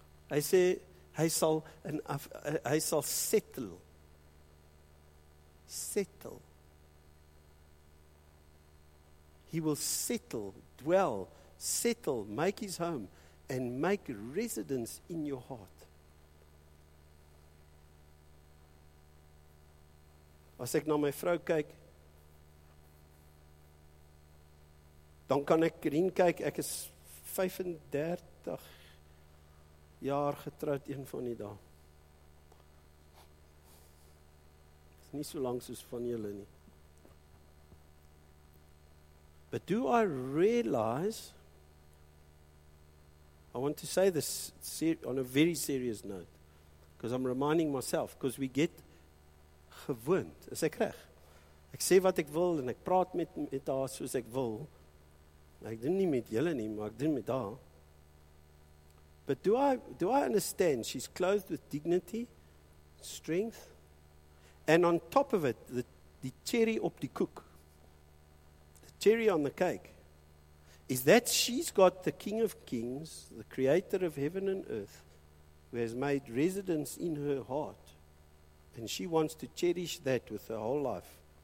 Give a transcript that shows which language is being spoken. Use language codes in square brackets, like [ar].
[en] I say, I shall settle. Settle. He will settle, dwell, settle, make his home, and make residence in your heart. [af] As ek na my vrou kyk, dan kan ek erin kyk, ek is 35 jaar getroud een van die dae. Is nie so lank soos van julle nie. [en] But do I realize, I want to say this on a very serious note, because I'm reminding myself, because we get [af] gewoond, as ek reg. Ek sê wat ek wil, en ek praat met haar soos ek wil. Ek doen nie met julle nie, maar ek doen met haar. [en] But do I understand she's clothed with dignity, strength, and on top of it, the cherry [af] op die koek, [en] the cherry on the cake, is that she's got the King of Kings, the Creator of heaven and earth, who has made residence in her heart, and she wants to cherish that with her whole life.